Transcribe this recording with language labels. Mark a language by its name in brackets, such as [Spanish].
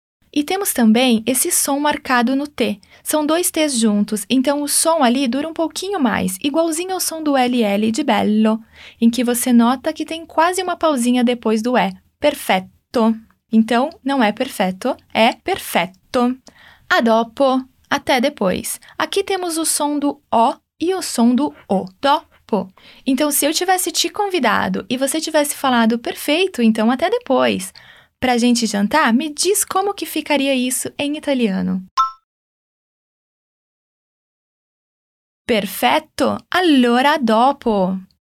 [Portuguese] E temos também esse som marcado no T. São dois T's juntos, então o som ali dura um pouquinho mais, igualzinho ao som do LL de bello, em que você nota que tem quase uma pausinha depois do E. Perfetto. Então, não é perfetto, é perfetto. [Italian] A dopo, [Portuguese] até depois. Aqui temos o som do O e o som do O, dopo. Então, se eu tivesse te convidado e você tivesse falado perfeito, então até depois. Para a gente jantar, me diz como que ficaria isso em italiano. [Italian] Perfetto, allora dopo.